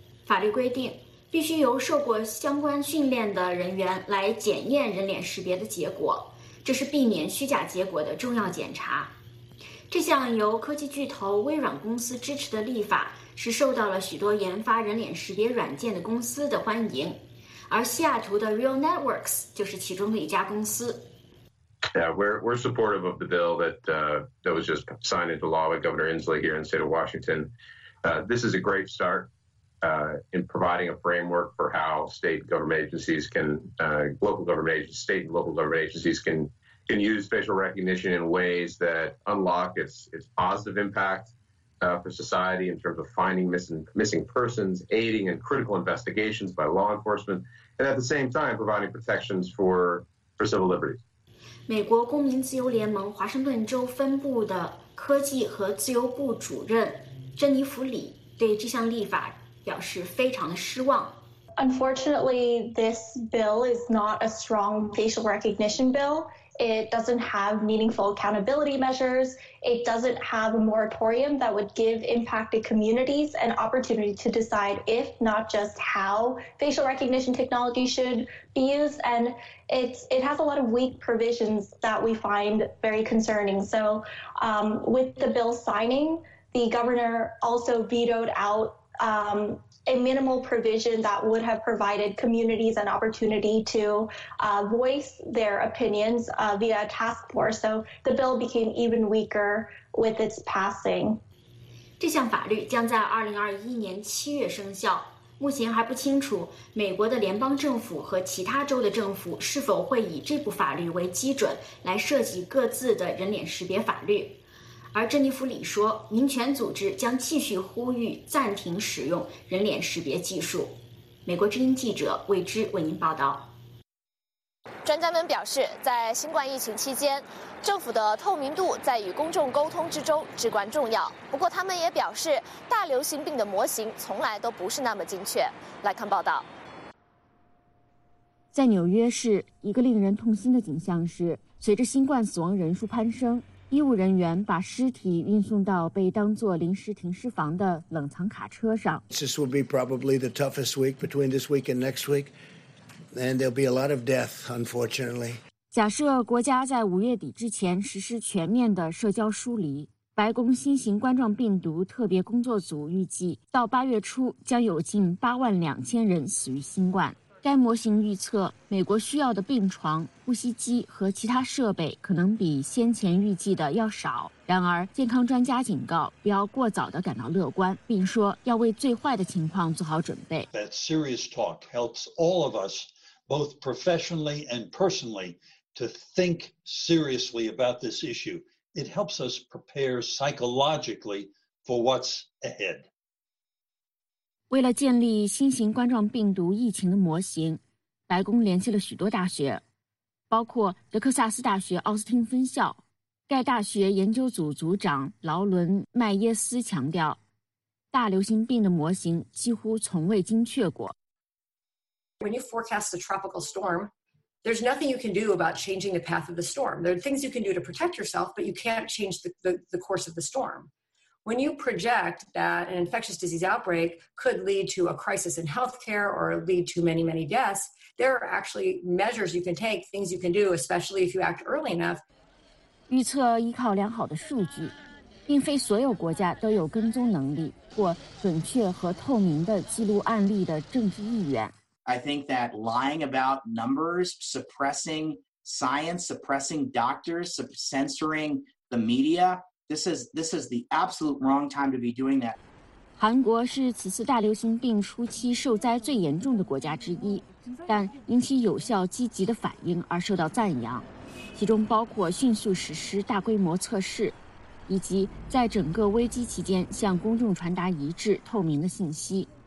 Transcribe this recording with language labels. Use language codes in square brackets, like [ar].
[zh] 法律规定必须由受过相关训练的人员来检验人脸识别的结果，这是避免虚假结果的重要检查。这项由科技巨头微软公司支持的立法是受到了许多研发人脸识别软件的公司的欢迎，而西雅图的 Real Networks 就是其中的一家公司。 [en] Yeah, we're supportive of the bill that was just signed into law by Governor Inslee here in the state of Washington. This is a great start in providing a framework for how state government agencies can, local government agencies, state and local government agencies can use facial recognition in ways that unlock its positive impact for society in terms of finding missing persons, aiding in critical investigations by law enforcement, and at the same time providing protections for civil liberties. [zh] 美国公民自由联盟华盛顿州分部的科技和自由部主任珍妮弗·里对这项立法表示非常的失望。 [en] Unfortunately, this bill is not a strong facial recognition bill. It doesn't have meaningful accountability measures. It doesn't have a moratorium that would give impacted communities an opportunity to decide if, not just how, facial recognition technology should be used. And it has a lot of weak provisions that we find very concerning. So, with the bill signing, the governor also vetoed out a minimal provision that would have provided communities an opportunity to voice their opinions via a task force. So the bill became even weaker with its passing. [zh] 这项法律将在2021年7月生效。目前还不清楚美国的联邦政府和其他州的政府是否会以这部法律为基准来设计各自的人脸识别法律。而珍妮弗·里说，民权组织将继续呼吁暂停使用人脸识别技术。美国之音记者魏芝为您报道。专家们表示，在新冠疫情期间，政府的透明度在与公众沟通之中至关重要。不过他们也表示，大流行病的模型从来都不是那么精确。来看报道。在纽约市，一个令人痛心的景象是，随着新冠死亡人数攀升，医务人员把尸体运送到被当作临时停尸房的冷藏卡车上。 [en] This will be probably the toughest week between this week and next week, and there'll be a lot of death, unfortunately. [zh] 假设国家在五月底之前实施全面的社交疏离，白宫新型冠状病毒特别工作组预计，到八月初将有近82000人死于新冠。该模型预测，美国需要的病床、呼吸机和其他设备可能比先前预计的要少。然而，健康专家警告，不要过早地感到乐观，并说要为最坏的情况做好准备。 [en] That serious talk helps all of us, both professionally and personally, to think seriously about this issue. It helps us prepare psychologically for what's ahead. [zh] 为了建立新型冠状病毒疫情的模型，白宫联系了许多大学，包括德克萨斯大学奥斯汀分校。该大学研究组组长劳伦·麦耶斯强调，大流行病的模型几乎从未精确过。 [en] When you forecast a tropical storm, there's nothing you can do about changing the path of the storm. There are things you can do to protect yourself, but you can't change the course of the storm. when you project that an infectious disease outbreak could lead to a crisis in healthcare or lead to many, many deaths, there are actually measures you can take, things you can do, especially if you act early enough. [zh] 预测依靠良好的数据，并非所有国家都有跟踪能力或准确和透明的记录案例的政治意愿。 [en] I think that lying about numbers, suppressing science, suppressing doctors, censoring the media, this is the absolute wrong time to be doing that. [zh] 韩国是此次大流行病初期受灾最严重的国家之一，但因其有效积极的反应而受到赞扬，其中包括迅速实施大规模测试，以及在整个危机期间向公众传达一致透明的信息。